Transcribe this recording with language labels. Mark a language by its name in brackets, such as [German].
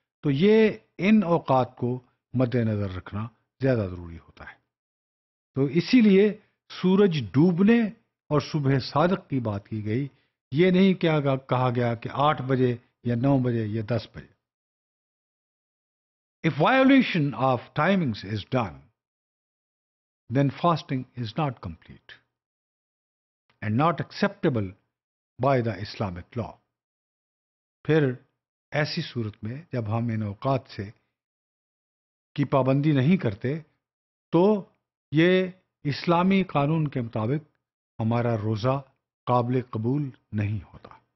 [Urdu] تو یہ ان اوقات کو مد نظر رکھنا زیادہ ضروری ہوتا ہے. تو اسی لیے سورج ڈوبنے اور صبح صادق کی بات کی گئی. یہ نہیں کیا کہا گیا کہ 8 بجے یا 9 بجے یا 10 بجے. [English] If violation of timings is done, then fasting is not complete and not acceptable by the Islamic law. [Urdu] پھر ایسی صورت میں جب ہم ان اوقات سے کی پابندی نہیں کرتے تو یہ اسلامی قانون کے مطابق ہمارا روزہ قابل قبول نہیں ہوتا.